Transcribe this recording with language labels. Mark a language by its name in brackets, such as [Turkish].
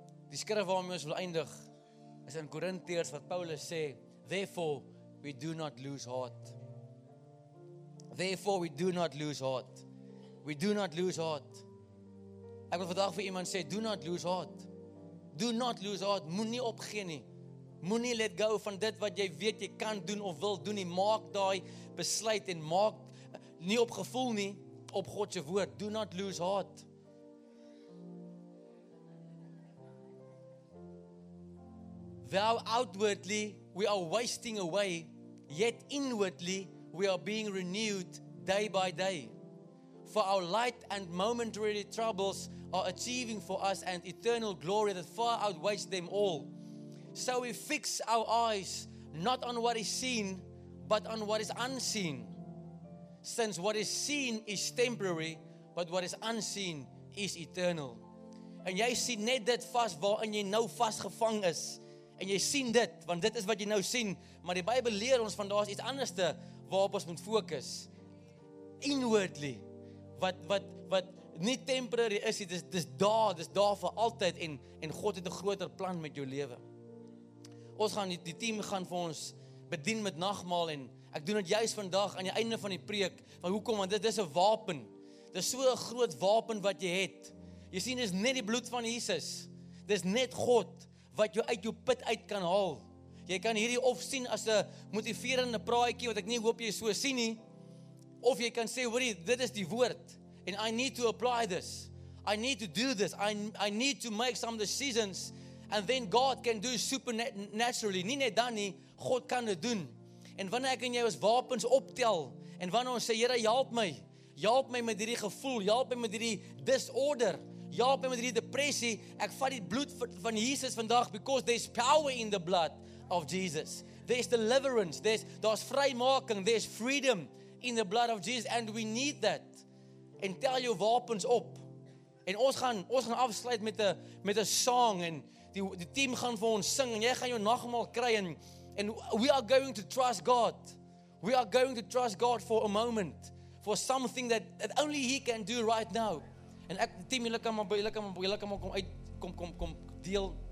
[Afrikaans] Die skrif waarmee ons wil eindig, is in Korintiërs wat Paulus sê, [English] therefore, we do not lose heart. Therefore, we do not lose heart. We do not lose heart. [Afrikaans] Ek wil vandag vir iemand sê, [English] do not lose heart. [Afrikaans] Do not lose heart. Moenie opgee nie. Moenie [English] let go [Afrikaans] van dit wat jy weet jy kan doen of wil doen nie. Maak daai besluit en maak nie op gevoel nie, op God se woord. [English] Do not lose heart. Though outwardly we are wasting away, yet inwardly we are being renewed day by day. For our light and momentary troubles are achieving for us an eternal glory that far outweighs them all. So we fix our eyes not on what is seen, but on what is unseen. Since what is seen is temporary, but what is unseen is eternal. [Afrikaans] En jy sien net dit vas waarin jy nou vasgevang is. En jy sien dit, want dit is wat jy nou sien. Maar die Bybel leer ons van daar is iets anderste waarop ons moet fokus. [English] Inwardly. [Afrikaans] Wat nie temporary is, dis daar vir altyd. En God het 'n groter plan met jou lewe. Ons gaan, die team gaan vir ons bedien met nagmaal en ek doen dit juist vandag aan die einde van die preek. Want hoekom? Want dit is 'n wapen. Dit is so 'n groot wapen wat jy het. Jy sien, dis net die bloed van Jesus. Dis net God wat jou uit jou put uit kan haal. Jy kan hierdie of sien as 'n motiverende praatjie wat ek nie hoop jy so sien nie. Of jy kan sê, hoorie, dit is die woord. [English] And I need to apply this. I need to do this. I need to make some decisions. [Afrikaans] And then God can do supernaturally. Nie net dan nie, God kan dit doen. En wanneer ek en jy ons wapens optel, en wanneer ons sê, Here, help my met hierdie gevoel, help my met hierdie disorder, help my met hierdie depressie, ek vat die bloed van Jesus vandag, [English] because there's power in the blood of Jesus. There's deliverance, there's vrymaking, there's freedom in the blood of Jesus, and we need that. [Afrikaans] En tel jou wapens op. En ons gaan afsluit met [English] a song, [Afrikaans] en Die team gaan vir ons sing en jy gaan jou nagmaal kry en [English] we are going to trust God. We are going to trust God for a moment. For something that only He can do right now. [Afrikaans] En ek, team, julle kan maar kom deel.